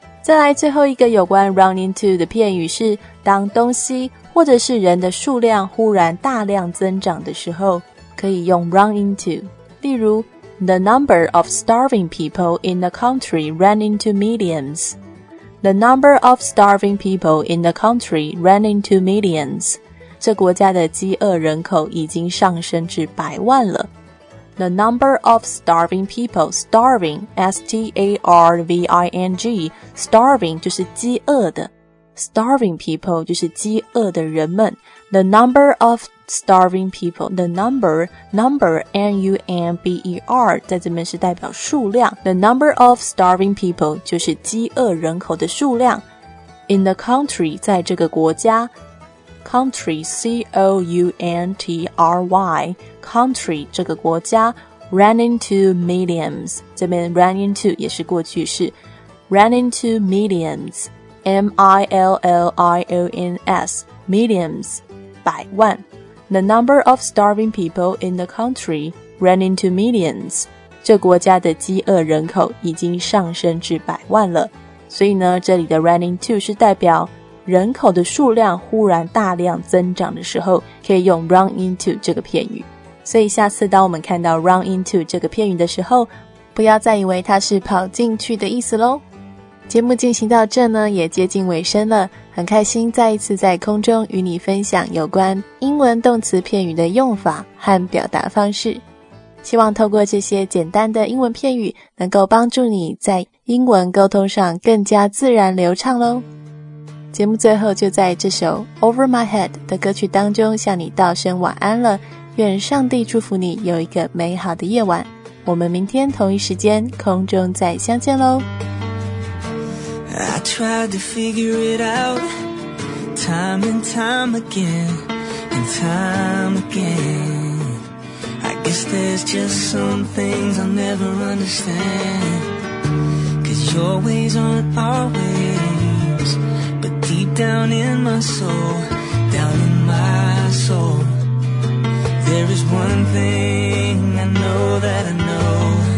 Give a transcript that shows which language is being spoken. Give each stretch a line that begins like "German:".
Chinese: 再来最后一个有关 run into 的片语是当东西或者是人的数量忽然大量增长的时候，可以用 run into。例如
English: The number of starving people in the country ran into millionsThe number of starving people in the country ran into millions. 这国家的饥饿人口已经上升至百万了。 The number of starving people, starving, S-T-A-R-V-I-N-G, starving
Chinese: 就是饥饿的。
English: Starving people
Chinese: 就是饥饿的人们。
English: The number of starving people, the number, number, N-U-M-B-E-R,
Chinese: 在这边是代表数量。
English: The number of starving people
Chinese: 就是饥饿人口的数量。
English: In the country,
Chinese: 在这个国家。
English: Country, C-O-U-N-T-R-Y, country,
Chinese: 这个国家。
English: Ran into millions,
Chinese: 这边 ran into 也是过去式。
English: Ran into millions,M-I-L-L-I-O-N-S, millions, 百万。 The number of starving people in the country ran into millions.
Chinese: 这国家的饥饿人口已经上升至百万了。所以呢，这里的 ran into 是代表人口的数量忽然大量增长的时候，可以用 run into 这个片语。所以下次当我们看到 run into 这个片语的时候，不要再以为它是跑进去的意思咯。节目进行到这呢，也接近尾声了，很开心再一次在空中与你分享有关英文动词片语的用法和表达方式。希望透过这些简单的英文片语，能够帮助你在英文沟通上更加自然流畅咯。节目最后就在这首 Over My Head 的歌曲当中向你道声晚安了，愿上帝祝福你有一个美好的夜晚，我们明天同一时间空中再相见咯。
English: I tried to figure it out, time and time again, and time again. I guess there's just some things I'll never understand. 'Cause your ways aren't our ways, but deep down in my soul, down in my soul, there is one thing I know that I know.